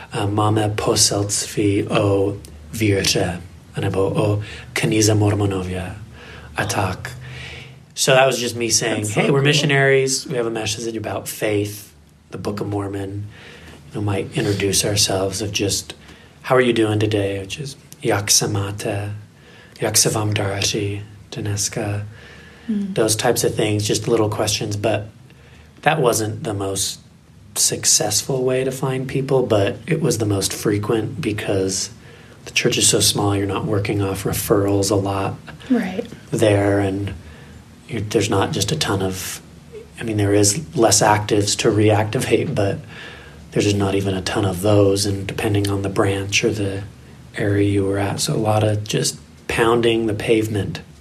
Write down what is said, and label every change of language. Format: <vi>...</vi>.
<cs>Máme poselství o víře, nebo o kníze Mormonově, a tak.</cs> <en>So that was just me saying, That's hey, so we're cool. missionaries. We have a message about faith, the Book of Mormon. You know, might introduce ourselves of just, how are you doing today? Which is,</en> <cs>jak se máte, jak se vám daří, dneska.</cs> <en>Those types of things, just little questions. But that wasn't the most successful way to find people, but it was the most frequent because the church is so small, you're not working off referrals a lot there, and there's not just a ton of, there is less actives to reactivate, but there's just not even a ton of those, and depending on the branch or the area you were at, so a lot of just pounding the pavement.</en>